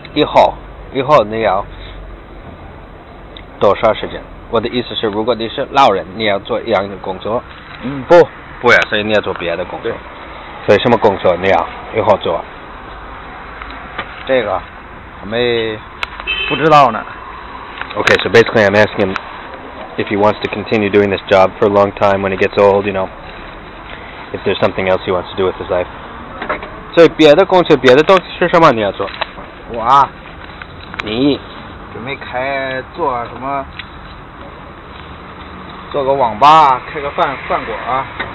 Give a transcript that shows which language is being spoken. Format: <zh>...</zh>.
<zh>以后你要多少时间？我的意思是，如果你是老人，你要做一样的工作。嗯，不呀，所以你要做别的工作。所以什么工作你要以后做？这个，我们。不知道呢。</zh> <en>Okay, so basically I'm asking him if he wants to continue doing this job for a long time when he gets old, you know, if there's something else he wants to do with his life.</en> <zh>所以别的工作别的东西是什么你要做？我啊，你准备开做什么？做个网吧，开个饭馆。</zh>